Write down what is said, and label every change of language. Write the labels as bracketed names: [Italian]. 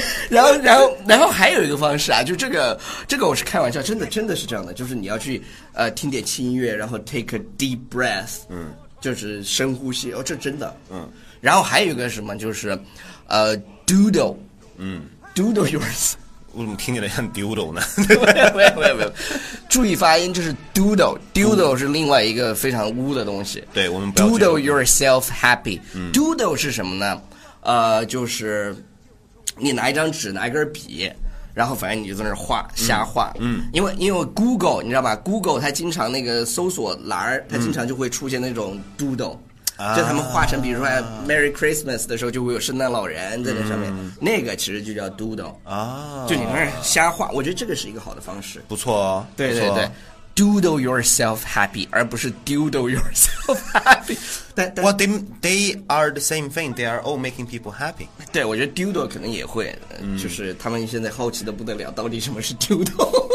[Chinese] 然后还有一个方式啊，就这个我是开玩笑，真的是这样的，就是你要去听点轻音乐，然后 [English] take a deep breath， [Chinese] 就是深呼吸哦，这真的，然后还有一个什么，就是doodle， [English] doodle yours， [Chinese] 我怎么听起来像 doodle 呢？没有，注意发音，就是 doodle 是另外一个非常污的东西，对，我们不要 [English] doodle yourself happy， [Chinese] doodle 是什么呢？就是。你拿一张纸，拿一根笔，然后反正你就在那画，瞎画。因为 Google， 你知道吧 ？Google 它经常那个搜索栏，它经常就会出现那种 doodle，就他们画成，比如说 Merry Christmas 的时候，就会有圣诞老人在那上面，那个其实就叫 doodle 啊，就你在那瞎画。我觉得这个是一个好的方式，不错，对对对。 [English] Doodle yourself happy， [Chinese] 而不是 [English] doodle yourself happy。 Well, they are the same thing. They are all making people happy. [Chinese] 对，我觉得 doodle 可能也会，就是他们现在好奇的不得了，到底什么是 doodle。